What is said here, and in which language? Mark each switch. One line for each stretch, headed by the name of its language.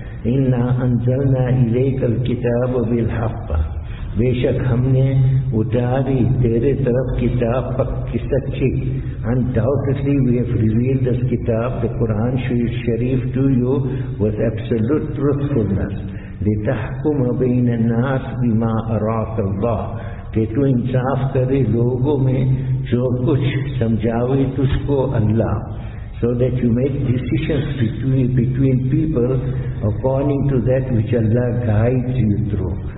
Arabic: Inna anzalna ilayka al-kitab bil-haqq.
Urdu: Beshak humne utari tere taraf kitab pakki sachi.
English: Undoubtedly we have revealed this kitab, the Quran Sharif, to you with absolute truthfulness.
Arabic: لِتَحْكُمَ بَيْنَ النَّاسِ بِمَا أَرَاكَ اللَّهِ
Urdu: کہ تو انصاف کرے لوگوں میں جو کچھ سمجھاوے تجھ کو اللہ.
English: So that you make decisions between people according to that which Allah guides you through.